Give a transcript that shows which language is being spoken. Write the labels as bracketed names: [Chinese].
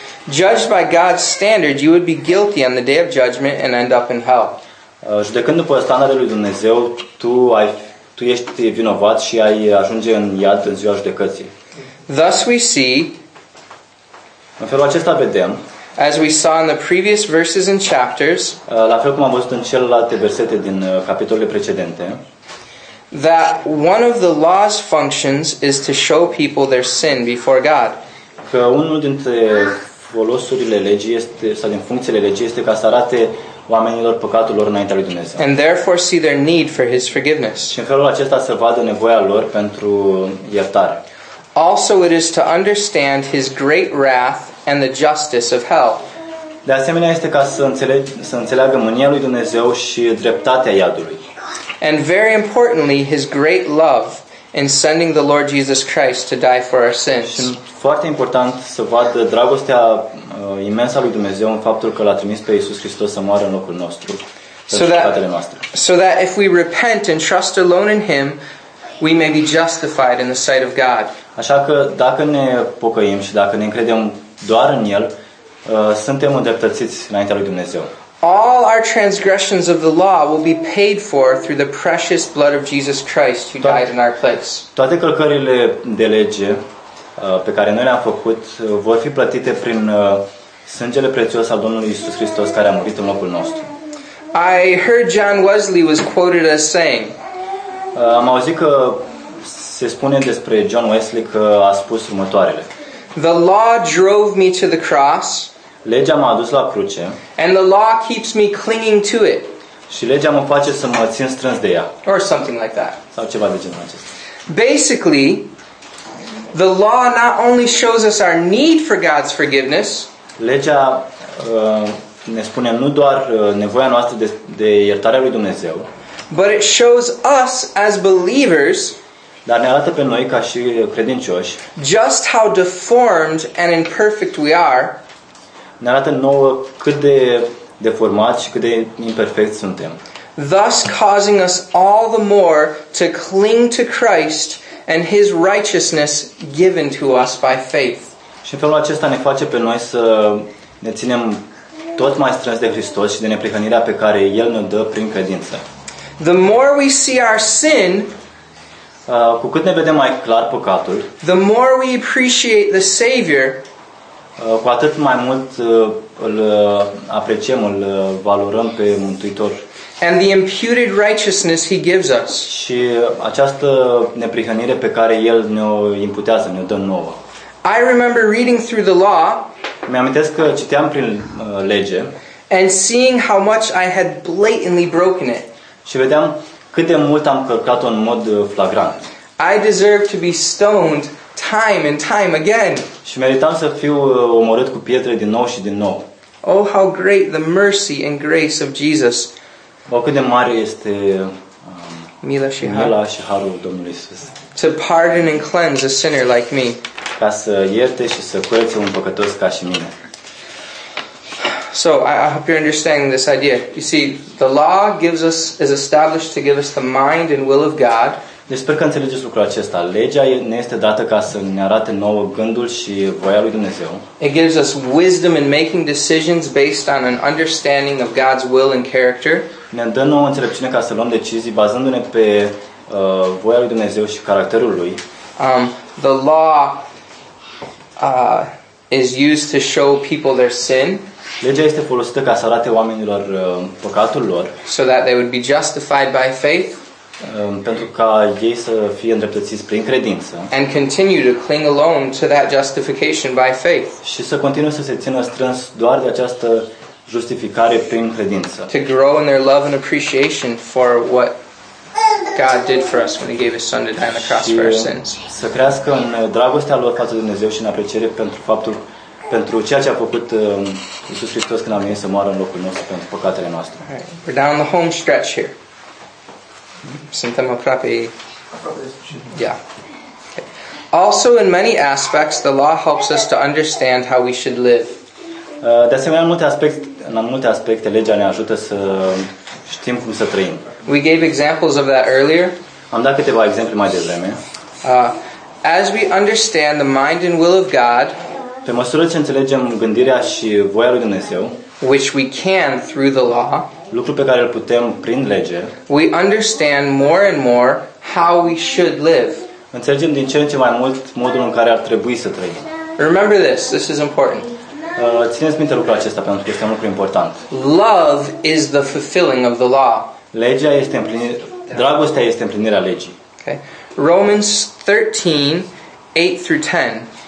[English] Judged by God's standard, you would be guilty on the day of judgment and end up in hell. [Romanian] Judecând după standardele lui Dumnezeu, tu ești vinovat și ai ajunge în iad în ziua judecății. [English] Thus we see, [Romanian] în felul acesta vedem, [English] as we saw in the previous verses and chapters, [Romanian] la fel cum am văzut în celelalte versete din capitolele precedente, [English] that one of the law's functions is to show people their sin before God. [Romanian] Că unul dintre folosurile legii este, sau din funcțiile legii este ca să arate oamenilor păcatul lor înaintea lui Dumnezeu. [English] And therefore see their need for his forgiveness. [Romanian] Și în felul acesta să vadă nevoia lor pentru iertare. [English] Also it is to understand his great wrath and the justice of hell. [Romanian] De asemenea este ca să înțeleagă mânia lui Dumnezeu și dreptatea iadului. [English] And very importantly his great love in sending the Lord Jesus Christ to die for our sins. [Romanian] Și foarte important să vadă dragostea imensă a lui Dumnezeu în faptul că l-a trimis pe Iisus Hristos să moară în locul nostru. [English] So that if we repent and trust alone in him, we may be justified in the sight of God. [Romanian] Așa că dacă ne pocăim și dacă ne încredem doar în el, suntem îndreptățiți înaintea lui Dumnezeu. [English] All our transgressions of the law will be paid for through the precious blood of Jesus Christ who died in our place. [Romanian] Toate călcările de lege pe care noi le-am făcut vor fi plătite prin sângele prețios al Domnului Iisus Hristos care a murit în locul nostru. [English] I heard John Wesley was quoted as saying. [Romanian] Am auzit că se spune despre John Wesley că a spus următoarele. [English] The law drove me to the cross. [Romanian] Legea m-a adus la cruce. [English] And the law keeps me clinging to it. [Romanian] Și legea mă face să mă țin strâns de ea. [English] Or something like that. [Romanian] Sau ceva de genul acesta. [English] Basically, the law not only shows us our need for God's forgiveness. [Romanian] Legea ne spune nu doar nevoia noastră de iertarea lui Dumnezeu. [English] But it shows us as believers. [Romanian] Dar ne arată pe noi ca și credincioși. [English] Just how deformed and imperfect we are. [Romanian] Ne arată nouă cât de deformați și cât de imperfecți suntem. [English] Thus causing us all the more to cling to Christ and his righteousness given to us by faith. [Romanian] Și în felul acesta ne face pe noi să ne ținem tot mai strâns de Hristos și de neprihănirea pe care el ne dă prin credință. [English] The more we see our sin, [Romanian] cu cât ne vedem mai clar păcatul, [English] the more we appreciate the Savior, [Romanian] cu atât mai mult îl apreciem, îl valorăm pe Mântuitor. [English] And the imputed righteousness he gives us. [Romanian] Și această neprihănire pe care el ne-o imputează, ne-o dă nouă. [English] I remember reading through the law. [Romanian] Mi-amintesc că citeam prin lege. [English] And seeing how much I had blatantly broken it. [Romanian] Și vedeam cât de mult am călcat-o în mod flagrant. [English] I deserve to be stoned time and time again. [Romanian] Și meritam să fiu omorât cu pietre din nou și din nou. [English] Oh, how great the mercy and grace of Jesus. [Romanian] O, cât de mare este mila și harul Domnului Iisus. [English] To pardon and cleanse a sinner like me. [Romanian] Ca să ierte și să curețe un păcătos ca și mine. [English] So, I hope you're understanding this idea. You see, the law gives us, is established to give us the mind and will of God. [Romanian] Deci sper că înțelegeți lucrul acesta. Legea ne este dată ca să ne arate nouă gândul și voia lui Dumnezeu. [English] It gives us wisdom in making decisions based on an understanding of God's will and character. [Romanian] Ne dă nouă înțelepciune ca să luăm decizii bazându-ne pe voia lui Dumnezeu și caracterul lui. [English] The law is used to show people their sin. [Romanian] Legea este folosită ca să arate oamenilor păcatul lor. [English] So that they would be justified by faith. [Romanian] Pentru ca ei să fie îndreptățiți prin credință. [English] And continue to cling alone to that justification by faith. [Romanian] Și să continue să se țină strâns doar de această justificare prin credință. [English] To grow in their love and appreciation for what God did for us when he gave his son to die on the cross for our sins. [Romanian] Să crească în dragostea lor față de Dumnezeu și în apreciere pentru faptul pentru ceea ce a făcut Iisus Hristos când a venit să moară în locul nostru pentru păcatele noastre. [English] Right. We're down the home stretch here. [Romanian] Suntem aproape. [English] Yeah. Okay. Also in many aspects the law helps us to understand how we should live. [Romanian] De asemenea, în multe aspecte legea ne ajută să știm cum să trăim. [English] We gave examples of that earlier. [Romanian] Am dat câteva exemple mai devreme. [English] As we understand the mind and will of God, [Romanian] pe măsură ce înțelegem gândirea și voia lui Dumnezeu, [English] which we can through the law, [Romanian] lucru pe care îl putem prin lege, [English] we understand more and more how we should live. [Romanian] Înțelegem din ce în ce mai mult modul în care ar trebui să trăim. [English] Remember this, this is important. [Romanian] Țineți minte lucrul acesta pentru că este un lucru important. [English] Love is the fulfilling of the law. [Romanian] Legea este dragostea este împlinirea legii. [English] Okay. Romans 13, 8 through 10.